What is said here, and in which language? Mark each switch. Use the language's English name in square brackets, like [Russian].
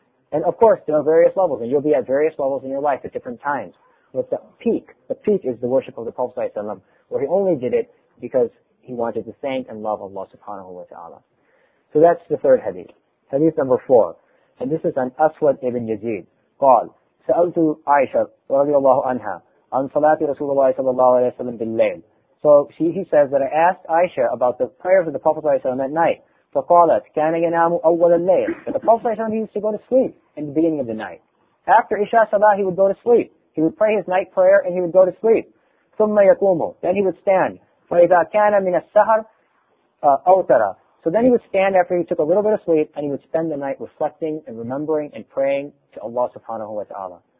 [English] And of course, there are various levels, and you'll be at various levels in your life at different times. But the peak is the worship of the Prophet ﷺ, where he only did it because he wanted to thank and love Allah subhanahu wa ta'ala. So that's the third hadith. Hadith number four. And this is an Aswad ibn Yazid. [Arabic] قال, سألت عائشة رضي الله عنها عن صلاة رسول الله صلى الله عليه وسلم بالليل. [English] So he says that I asked Aisha about the prayers of the Prophet ﷺ at night. [Arabic] فقالت كان ينام أول الليل. [English] But the Prophet ﷺ used to go to sleep in the beginning of the night. After Isha Salah, he would go to sleep. He would pray his night prayer and he would go to sleep. [Arabic] ثم يقوم. [English] Then he would stand. [Arabic] فإذا كان من السهر أوترا. [English] So then he would stand after he took a little bit of sleep and he would spend the night reflecting and remembering and praying to Allah subhanahu wa ta'ala.